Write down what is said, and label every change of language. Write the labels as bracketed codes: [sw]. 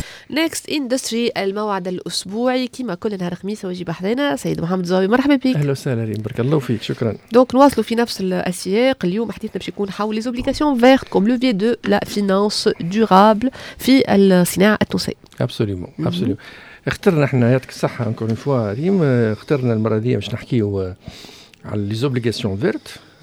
[ar] Next Industry, الموعد الأسبوعي كما كل نهار خميس واجي بحضنا سيد محمد زاوي. مرحبا بك. أهلا وسهلا ريم، بارك الله فيك. شكرا. دونك نواصلوا في نفس السياق. اليوم حديثنا باش يكون حول [fr] les obligations vertes comme levier de la finance durable [ar] في الصناعة التونسية. [fr] Absolument, absolument. [ar] اخترنا احنا يعطيك الصحة [fr] encore une fois [ar] ريم، اخترنا المرة دي باش نحكيو على [fr] les obligations vertes.